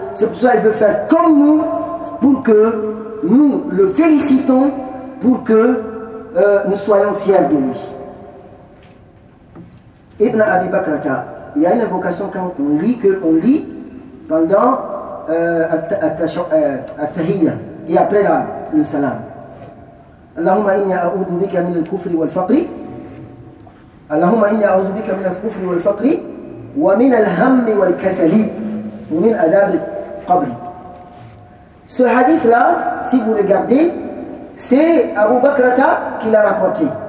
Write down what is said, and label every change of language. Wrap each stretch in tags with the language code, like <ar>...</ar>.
<fr>C'est pour ça qu'il veut faire comme nous, pour que nous le félicitons, pour que nous soyons fiers de lui. Ibn Abi Bakr, il y a une invocation quand on lit, pendant At-Tahiyya, et après le salam.</fr> <ar>Allahumma inni a'udhu bika min al-kufri wal-faqri. اللهم إني أعوذ بك من الكفر والفقر ومن الهم والكسل ومن عذاب القبر.</ar> <fr>Ce hadith là, si vous regardez, c'est Abu Bakr qui l'a rapporté.</fr>